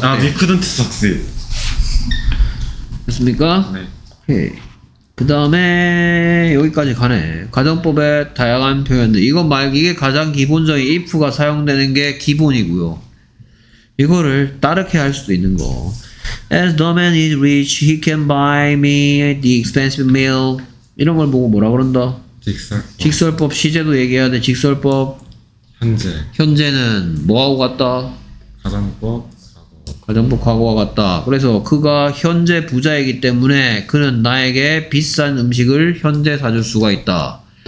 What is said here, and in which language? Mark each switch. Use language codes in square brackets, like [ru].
[en] 아, we couldn't succeed. [ko] 됐습니까? 네. 그 다음에 여기까지 가네. 과정법의 다양한 표현들. 이건 말고 이게 가장 기본적인 if가 사용되는 게 기본이고요. 이거를 따르게 할 수도 있는 거. [en] As the man is rich, he can buy me the expensive meal. [ko] 이런 걸 보고 뭐라 그런다? 직설법. 직설법 시제도 얘기해야 돼. 직설법. 현재는 뭐하고 같다? 가정법 과거와 같다. 그래서 그가 현재 부자이기 때문에 그는 나에게 비싼 음식을 현재 사줄 수가 있다.